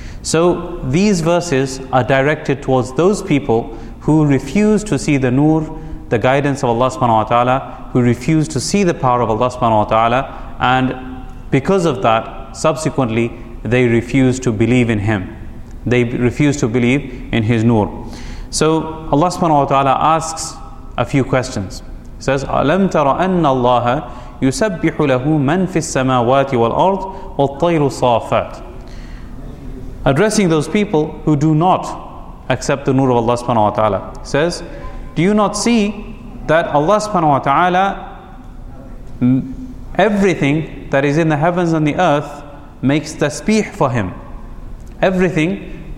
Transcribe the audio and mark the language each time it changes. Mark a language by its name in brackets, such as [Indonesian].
[English] So these verses are directed towards those people who refuse to see the Nur, the guidance of Allah subhanahu wa ta'ala, who refuse to see the power of Allah subhanahu wa ta'ala, and because of that, subsequently, they refuse to believe in Him. They refuse to believe in His Nur. So Allah subhanahu wa ta'ala asks a few questions. He says, [Arabic] أَلَمْ تَرَ أَنَّ اللَّهَ يُسَبِّحُ لَهُ مَنْ فِي السَّمَاوَاتِ وَالْأَرْضِ وَالطَّيْرُ صَافَاتِ. [English] Addressing those people who do not accept the Nur of Allah subhanahu wa ta'ala, says, do you not see that Allah subhanahu wa ta'ala, everything that is in the heavens and the earth makes tasbih for Him? Everything